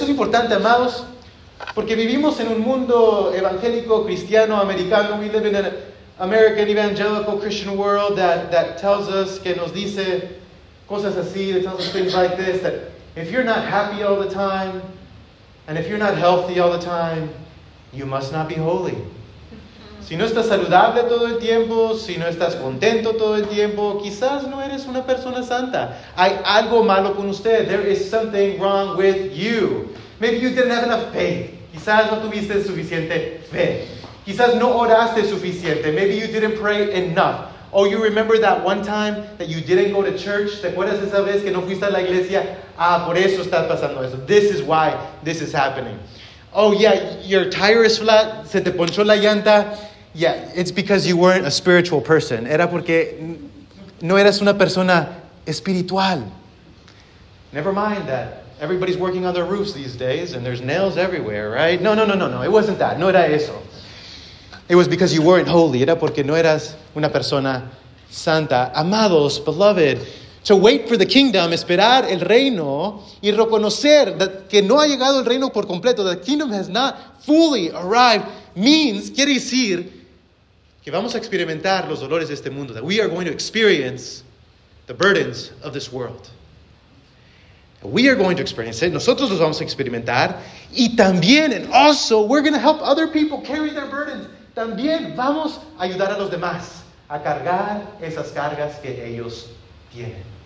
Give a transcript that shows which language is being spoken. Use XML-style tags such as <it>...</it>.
<es>Esto es importante, amados, porque vivimos en un mundo evangélico, cristiano, americano.</es> <en>We live in an American evangelical Christian world that tells us,</en> <es>que nos dice cosas así,</es> <en>that tells us things like this, that if you're not happy all the time, and if you're not healthy all the time, you must not be holy.</en> <es>Si no estás saludable todo el tiempo, si no estás contento todo el tiempo, quizás no eres una persona santa. Hay algo malo con usted.</es> <en>There is something wrong with you. Maybe you didn't have enough faith.</en> <es>Quizás no tuviste suficiente fe. Quizás no oraste suficiente.</es> <en>Maybe you didn't pray enough. Oh, you remember that one time that you didn't go to church?</en> <es>¿Te acuerdas esa vez que no fuiste a la iglesia? Ah, por eso está pasando eso.</es> <en>This is why this is happening. Oh, yeah, your tire is flat.</en> <es>Se te ponchó la llanta.</es> <en>Yeah, it's because you weren't a spiritual person.</en> <es>Era porque no eras una persona espiritual.</es> <en>Never mind that. Everybody's working on their roofs these days and there's nails everywhere, right? No. It wasn't that.</en> <es>No era eso.</es> <en>It was because you weren't holy.</en> <es>Era porque no eras una persona santa. Amados, beloved,</es> <en>to wait for the kingdom,</en> <es>esperar el reino, y reconocer that que no ha llegado el reino por completo,</es> <en>the kingdom has not fully arrived,</en> <es>means, quiere decir, que vamos a experimentar los dolores de este mundo,</es> <en>that we are going to experience the burdens of this world. We are going to experience it.</en> <es>Nosotros los vamos a experimentar. Y también,</es> <en>and also, we're going to help other people carry their burdens.</en> <es>También vamos a ayudar a los demás a cargar esas cargas que ellos tienen.</es>